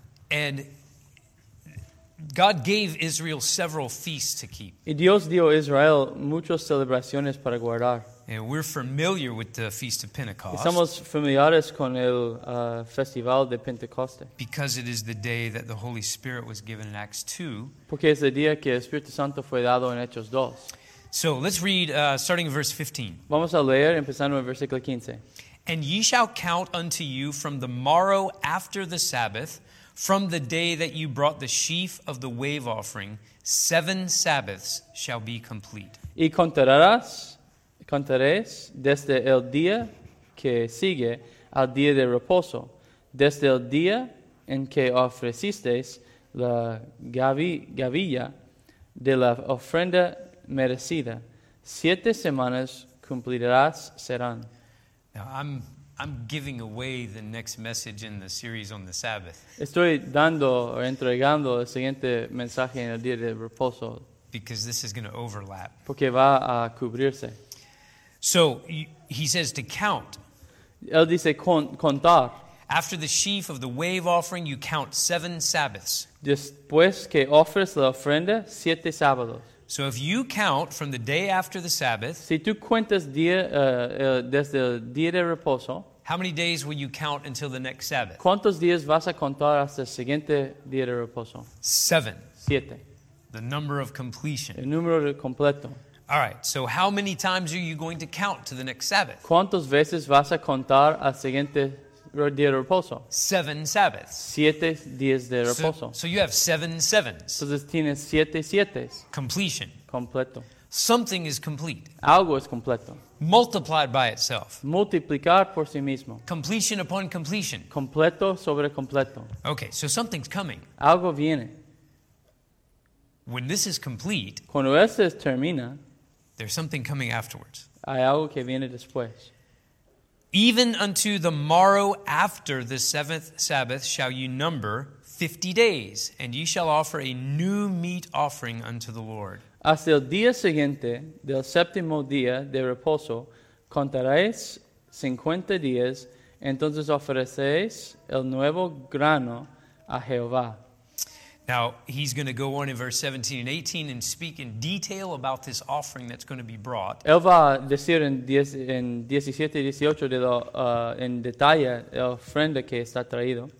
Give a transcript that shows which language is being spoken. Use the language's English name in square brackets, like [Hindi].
[English] And God gave Israel several feasts to keep. [Spanish] Y Dios dio a Israel muchas celebraciones para guardar. [English] And we're familiar with the Feast of Pentecost. [Spanish] Estamos familiares con el Festival de Pentecoste. [English] Because it is the day that the Holy Spirit was given in Acts 2. [Spanish] Porque es el día que el Espíritu Santo fue dado en Hechos 2. [English] So let's read starting in verse 15. [Spanish] Vamos a leer empezando en versículo 15. [English] And ye shall count unto you from the morrow after the Sabbath, from the day that you brought the sheaf of the wave offering, 7 Sabbaths shall be complete. [Spanish] Y contarás. Contaréis desde el día que sigue al día de reposo, desde el día en que ofrecisteis la gavilla de la ofrenda merecida. 7 semanas cumplirás serán. [English] Now I'm giving away the next message in the series on the Sabbath. [Spanish] Estoy dando o entregando el siguiente mensaje en el día de reposo. [English] Because this is going to overlap. [Spanish] Porque va a cubrirse. [English] So he says to count. [Spanish] Él dice contar. [English] After the sheaf of the wave offering, you count 7 Sabbaths. [Spanish] Después que ofreces la ofrenda, 7 sábados. [English] So if you count from the day after the Sabbath, [Spanish] si tú cuentas día, desde el día de reposo, [English] how many days will you count until the next Sabbath? [Spanish] ¿Cuántos días vas a contar hasta el siguiente día de reposo? [English] Seven. [Spanish] Siete. [English] The number of completion. [Spanish] El número de completo. [English] All right, so how many times are you going to count to the next Sabbath? [Spanish] ¿Cuántas veces vas a contar al siguiente día de reposo? [English] Seven Sabbaths. [Spanish] Siete días de reposo. [English] So you have seven sevens. [Spanish] Entonces tienes siete sietes. [English] Completion. [Spanish] Completo. [English] Something is complete. [Spanish] Algo es completo. [English] Multiplied by itself. [Spanish] Multiplicar por sí mismo. [English] Completion upon completion. [Spanish] Completo sobre completo. [English] Okay, so something's coming. [Spanish] Algo viene. [English] When this is complete, [Spanish] cuando esto termina, [English] there's something coming afterwards. [Spanish] Hay algo que viene después. [English] Even unto the morrow after the seventh Sabbath shall you number 50 days, and ye shall offer a new meat offering unto the Lord. [Spanish] Hasta el día siguiente del séptimo día de reposo, contaréis 50 días, entonces ofreceréis el nuevo grano a Jehová. [English] Now, he's going to go on in verse 17 and 18 and speak in detail about this offering that's going to be brought. [Spanish] Él va a decir en 17 y 18 de lo, en detalle la ofrenda que está traído.